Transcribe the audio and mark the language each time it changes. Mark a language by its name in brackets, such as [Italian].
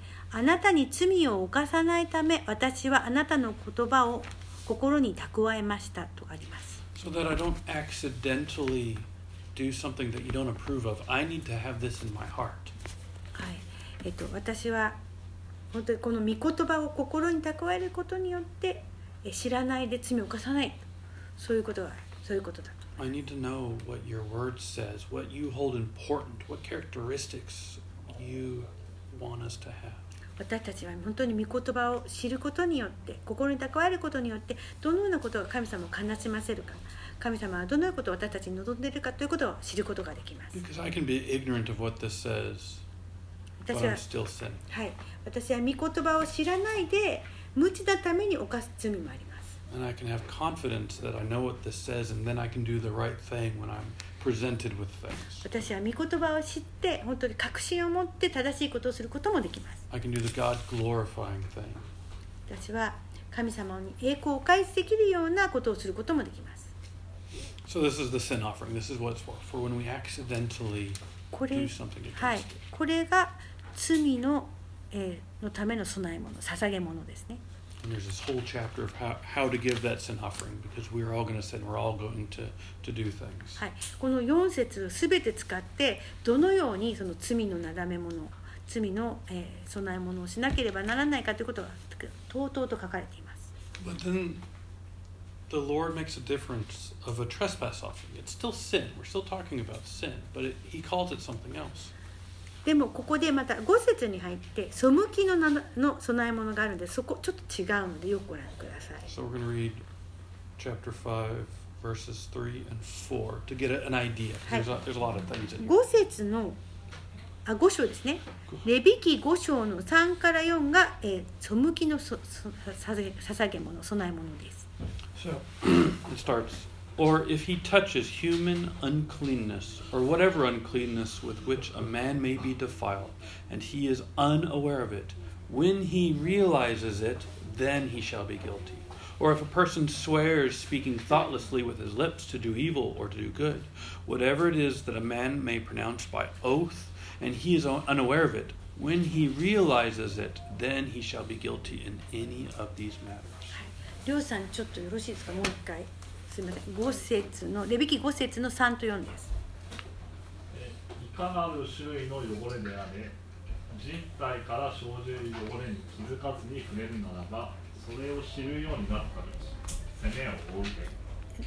[Japanese] あなたに罪を犯さないため私はあなたの言葉を心に蓄えましたとあります。 [English] So that I don't accidentally do something that you don't approve of, I need to have this in my heart. [Japanese] はい、私は本当にこの御言葉を心に蓄えることによって知らないで罪を犯さない、そういうことが、そういうことだと。 [English] I need to know what your word says, what you hold important, what characteristics you want us to have. [Japanese] 私たちは本当に御言葉を知ることによって、心に蓄えることによって、どのようなことが神様を悲しませるか、神様はどのようなことを私たちに望んでいるかということを知ることができます。 [English] Because I can be ignorant of what this says, but I'm still sinning. [Japanese] はい、私は御言葉を知らないで。無知なために犯す罪もあります。 [English] And I can have confidence that I know what this says, and then I can do the right thing when I'm presented with things. [Japanese] 私は御言葉を知って本当に確信を持って正しいことをすることもできます。 [English] I can do the God glorifying thing. [Japanese] 私は神様に栄光を返すできるようなことをすることもできます。 [English] So this is the sin offering. This is what it's for. For when we accidentally do something against [Japanese] it. はい、これが罪ののための備え物、捧げ物ですね。 [English] And there's this whole chapter of how to give that sin offering because we're all going to sin, we're all going to do things. [Japanese] はい、この4節をすべて使ってどのようにその罪のなだめ物、罪の、備え物をしなければならないかということがとうとうと書かれています。 [English] But then the Lord makes a difference of a trespass offering. It's still sin. We're still talking about sin, but he calls it something else. [Japanese] でもここでまた5節に入って背き の備え物があるのでそこちょっと違うのでよくご覧ください。 [English] So we're going to read chapter 5 verses 3 and 4 to get an idea. There's a lot of things in here. [Japanese] 5節の、あ、5章ですね。レビキ5章の3から4が、背きの捧げ物、備え物です。 [English] So it starts. Or if he touches human uncleanness, or whatever uncleanness with which a man may be defiled, and he is unaware of it, when he realizes it, then he shall be guilty. Or if a person swears, speaking thoughtlessly with his lips to do evil or to do good, whatever it is that a man may pronounce by oath, and he is unaware of it, when he realizes it, then he shall be guilty in any of these matters. [Japanese] りょうさん、ちょっとよろしいですか、もう一回。すみません。5節のレビキ5節の3と4です。いかなる種類の汚れであれ、人体から生じる汚れに気づかずに触れるならば、それを知るようになったら責めを負うで。